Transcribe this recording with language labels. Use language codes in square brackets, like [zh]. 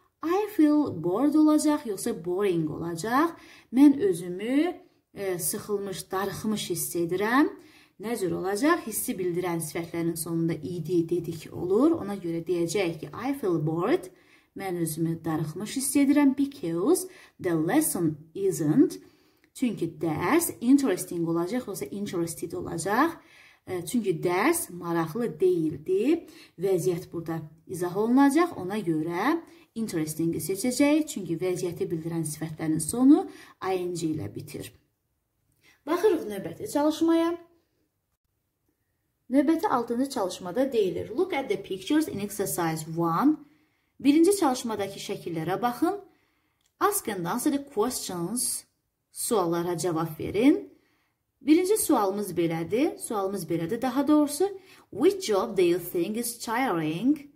[en] I feel bored [az] olacaq, yoxsa [en] boring olacaq. [az] Mən özümü sıxılmış, darıxmış hiss edirəm. Nə cür olacaq? Hissi bildirən sifətlərin sonunda ed dedik olur. Ona görə deyəcək ki, [en] I feel bored. [az] Mən özümü darıxmış hiss edirəm. [en] Because the lesson isn't. [az] Çünki dərs interesting olacaq, yoxsa interested olacaq. Çünki dərs maraqlı deyildi. Vəziyyət burada izah olunacaq. Ona görə interesting-i seçəcək. Çünki vəziyyəti bildirən sifətlərin sonu ing ilə bitir. Baxırıq növbəti çalışmaya. Növbəti 6-cı çalışmada deyilir. [en] Look at the pictures in exercise 1. [az] Birinci çalışmadakı şəkillərə baxın. [en] Ask and answer the questions. [az] Suallara cavab verin. Birinci sualımız belədir. Sualımız belədir daha doğrusu. [en] Which job do you think is tiring?